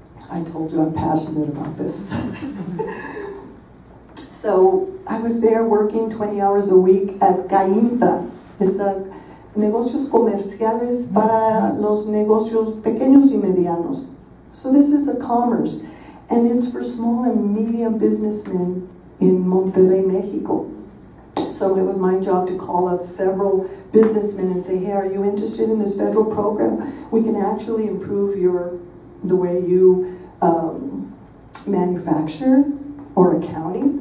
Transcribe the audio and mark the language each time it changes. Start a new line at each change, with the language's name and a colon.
English: I told you I'm passionate about this. So I was there working 20 hours a week at Cainta. It's a
Spanish: negocios comerciales para los negocios pequeños y medianos.
English: So this is a commerce. And it's for small and medium businessmen in Monterrey, Mexico. So it was my job to call up several businessmen and say, hey, are you interested in this federal program? We can actually improve the way you manufacture or accounting.